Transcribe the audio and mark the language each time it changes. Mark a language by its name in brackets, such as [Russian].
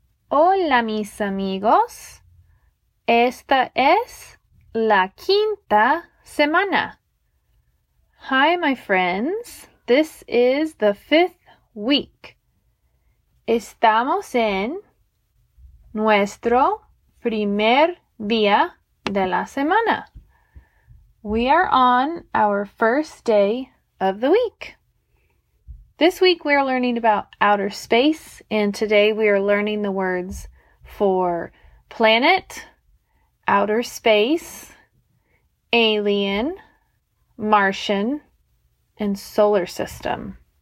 [Spanish] Hola mis amigos, esta es la quinta semana. [English] Hi my friends, this is the fifth week. [Spanish] Estamos en nuestro primer día de la semana. [English] We are on our first day of the week. This week we are learning about outer space, and today we are learning the words for planet, outer space, alien, Martian, and solar system.